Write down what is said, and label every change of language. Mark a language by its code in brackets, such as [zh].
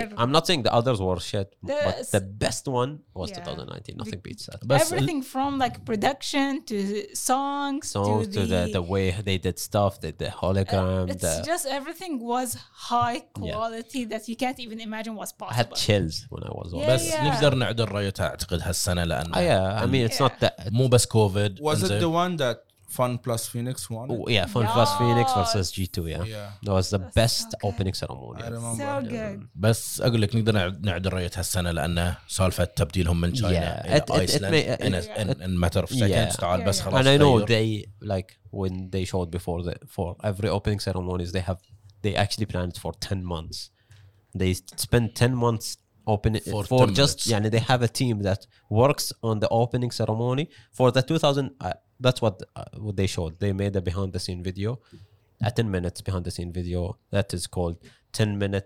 [en] I'm not saying the others were shit, but the best one was 2019. Nothing beats that. Everything from like production to songs to the way they did stuff, the hologram. It's just everything was high quality that you can't even imagine was possible. I had chills when I was. [ar] بس نقدر نعدل رأيك أعتقد هالسنة لأن. [en] Yeah, I mean it's not that. [ar] مو بس COVID. [en] Was it the one that? Fun plus Phoenix won. Oh, yeah, Fun plus Phoenix versus G2. Yeah, yeah. That was the That's best so opening ceremony. I remember. So good. [ar] بس أقول لك نقدر نعدل رأيت هالسنة لأنه سالفة تبديلهم من China إلى Iceland [en] in a matter of seconds. [ar] بس خلاص. [en] And I know they like when they showed before the for every opening ceremonies they have they actually planned for 10 months. They spend 10 months. For just minutes. [ar] يعني [en] they have a team that works on the opening ceremony for the 2000 that's what they showed they made a behind the scene video a 10 minutes behind the scene video that is called 10